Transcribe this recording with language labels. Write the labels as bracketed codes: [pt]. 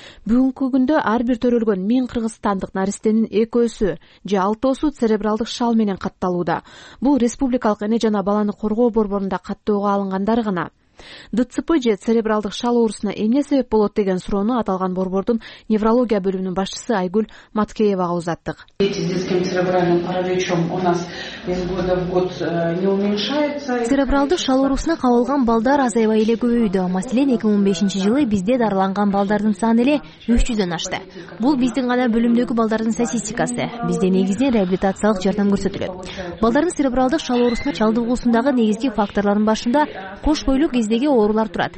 [ky] Бүгүнкү күндө ар бир төрөлгөн 1000 кыргызстандык наристенин 2-сү же 6-сы церебралдык шал менен катталууда. Бул республикалык эне жана баланы коргоо борборунда каттоого алынгандар гана. ДЦП же церебралдык шал оорусуна эмне себеп болот деген суроону аталган борбордун неврология бөлүмүнүн башчысы Айгүл Маткеевага узаттык. [ru] Эти детским церебральным параличом у нас из года в год не уменьшается. [ky] Церебралдык шал оорусуна кабылган балдар азайбай эле көбөйүүдө. Маселен 2015 жылы бизде дарыланган балдардын саны эле 300 ашты. Бул биздин гана бөлүмдөгү балдардын статистикасы. Бизде негизинен реабилитациялык жардам көрсөтүлөт. Балдардын церебралдык шал оорусуна чалдыгуусундагы негизги факторлордун башында кош бойлуу кездеги оорулар турат.